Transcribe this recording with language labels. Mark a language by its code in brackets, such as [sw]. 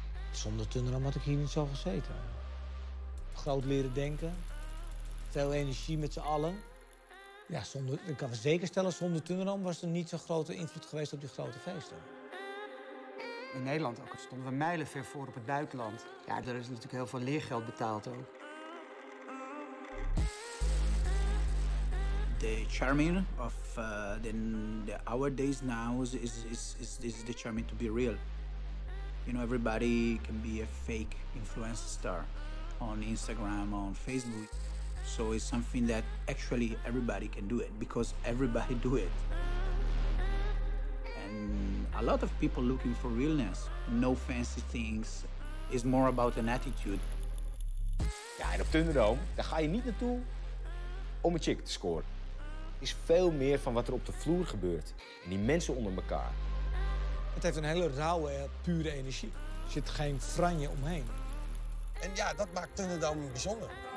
[nl] Zonder Thunderdome had ik hier niet zo gezeten. Groot leren denken, veel energie met z'n allen. Ja, ik kan me zeker stellen, zonder Thunderdome was er niet zo'n grote invloed geweest op die grote feesten. In Nederland ook, stonden we mijlen ver voor op het buitenland. Ja, daar is natuurlijk heel veel leergeld betaald ook. [en] The charming of the our days now is the charming to be real. You know, everybody can be a fake influencer star on Instagram, on Facebook. So it's something that actually everybody can do it because everybody do it. A lot of people looking for realness, no fancy things, is more about an attitude. [nl] Ja, en op Thunderdome, daar ga je niet naartoe om een chick te scoren. Het is veel meer van wat er op de vloer gebeurt en die mensen onder elkaar. Het heeft een hele rauwe, pure energie. Er zit geen franje omheen. En ja, dat maakt Thunderdome bijzonder.